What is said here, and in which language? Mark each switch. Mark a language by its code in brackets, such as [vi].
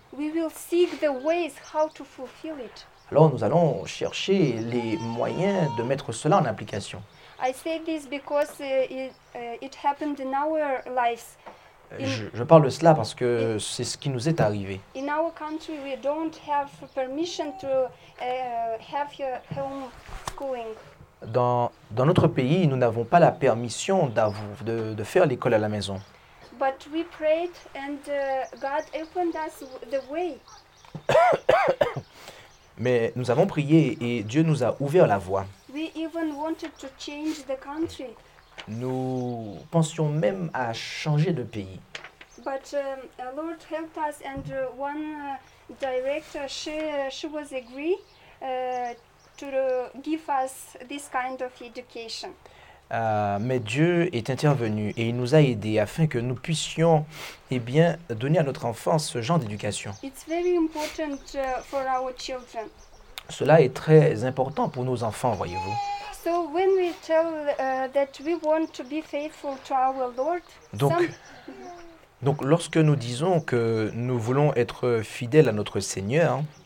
[en] We will seek the ways how to fulfill it. [fr] Alors nous allons chercher les moyens de mettre cela en application. [en] I say this because it happened in our lives. [fr] Je parle de cela parce que c'est ce qui nous est arrivé. [en] In our country, we don't have permission to have your home schooling. [fr] Dans notre pays, nous n'avons pas la permission de faire l'école à la maison. [en] But we prayed and God opened us the way. [fr] Mais nous avons prié et Dieu nous a ouvert la voie. [en] We even wanted to change the country. [fr] Nous pensions même à changer de pays. [en] But Lord helped us, and one director, she was agree to give us this kind of education. [fr] Mais Dieu est intervenu et il nous a aidés afin que nous puissions, donner à notre enfant ce genre d'éducation. [en] It's very important for our children. [fr] Cela est très important pour nos enfants, voyez-vous. [en] So when we tell that we want to be faithful to our Lord, [fr] donc lorsque nous disons que nous voulons être fidèles à notre Seigneur,